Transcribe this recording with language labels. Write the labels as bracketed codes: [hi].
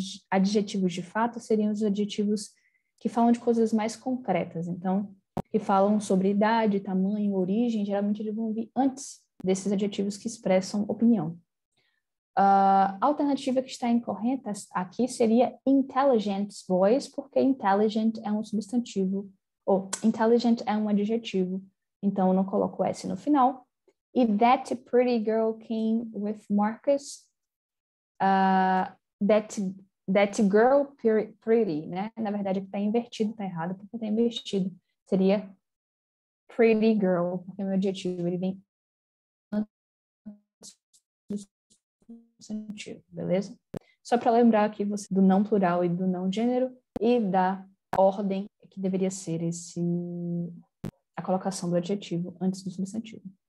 [pt] Adjetivos de fato seriam os adjetivos que falam de coisas mais concretas, então, que falam sobre idade, tamanho, origem, geralmente eles vão vir antes desses adjetivos que expressam opinião. A alternativa que está incorreta aqui seria intelligent voice, porque intelligent é um substantivo, ou intelligent é um adjetivo, então eu não coloco S no final. [en] E that pretty girl came with Marcus, that girl pretty, né? [pt] Na verdade, está invertido, está errado, porque está invertido. Seria pretty girl, porque é o meu adjetivo, ele vem sentido, beleza? Só para lembrar aqui você do não plural e do não gênero e da ordem que deveria ser esse a colocação do adjetivo antes do substantivo.